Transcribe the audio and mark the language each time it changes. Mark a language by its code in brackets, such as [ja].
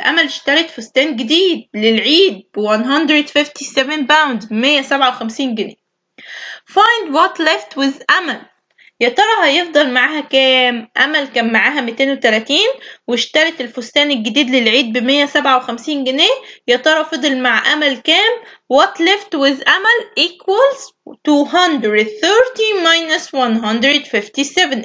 [ar] أمل اشترت فستان جديد للعيد ب 157 باوند، 157 جنيه. [en] Find what left with أمل. [ar] يا ترى هيفضل معها كام؟ أمل كان معها 230 واشترت الفستان الجديد للعيد ب 157 جنيه. يا ترى فضل مع أمل كام؟ [en] What left with أمل equals 230 minus 157.